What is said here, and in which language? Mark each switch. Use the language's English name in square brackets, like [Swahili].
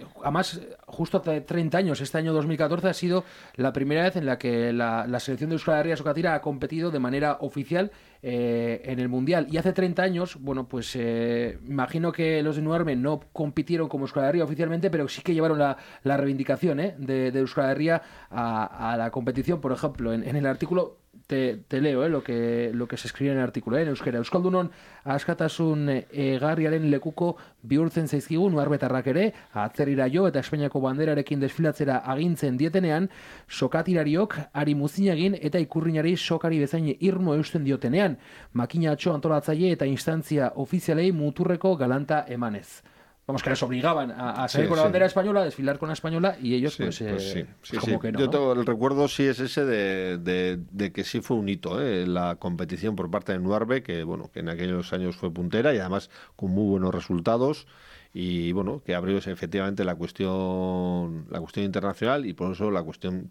[Spanish] Además, justo hace 30 años, este año 2014, ha sido la primera vez en la que la selección de Euskal Herria Socatira ha competido de manera oficial en el Mundial. Y hace 30 años, bueno, pues imagino que los de Nuarme no compitieron como Euskal Herria oficialmente, pero sí que llevaron la reivindicación de Euskal Herria a la competición. Por ejemplo, en el artículo, te leo lo que se escribe en el artículo, en euskera. [Basque] Euskaldunon askatasun egarriaren lekuko bihurtzen zaizkigu nuarbetarrak ere, atzerira jo eta Espainiako banderarekin desfilatzera agintzen dietenean, sokatirariok ari muzinagin eta ikurriñari sokari bezain irmo eusten diotenean, makinatxo antolatzaile eta instantzia ofizialei muturreko galanta emanez. [Spanish] Vamos, que les obligaban a salir con la bandera española, a desfilar con la española, y ellos que no. Yo tengo el recuerdo, sí es ese, de que sí fue un hito, la competición por parte de Nuarve, que bueno, que en aquellos años fue puntera y además con muy buenos resultados, y bueno, que abrió efectivamente la cuestión internacional, y por eso la cuestión